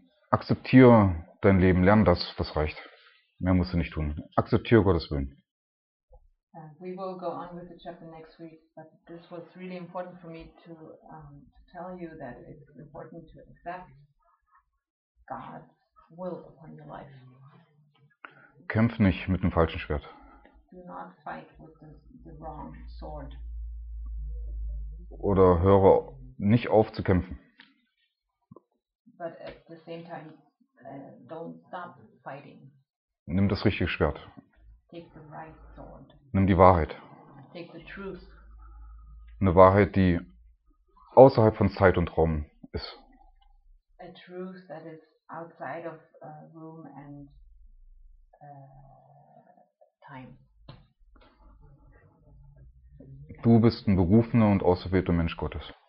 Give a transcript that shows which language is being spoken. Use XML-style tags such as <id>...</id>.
<de>Akzeptier dein Leben, lern das, das reicht. Mehr musst du nicht tun. Akzeptier Gottes Willen.</de> <en>We will go on with the chapter next week, but this was really important for me to tell you that it's important to accept God's will upon your life.</en> <de>Kämpf nicht mit dem falschen Schwert.</de> <en>Do not fight with the wrong sword.</en> <de>Oder höre nicht auf zu kämpfen.</de> <en>But at the same time, don't stop fighting.</en> <de>Nimm das richtige Schwert.</de> <en>Take the right sword.</en> <de>Nimm die Wahrheit.</de> <en>Take the truth.</en> <de>Eine Wahrheit, die außerhalb von Zeit und Raum ist.</de> <en>A truth that is outside of room and time.</en> <de>Du bist ein berufener und auserwählter Mensch Gottes.</de>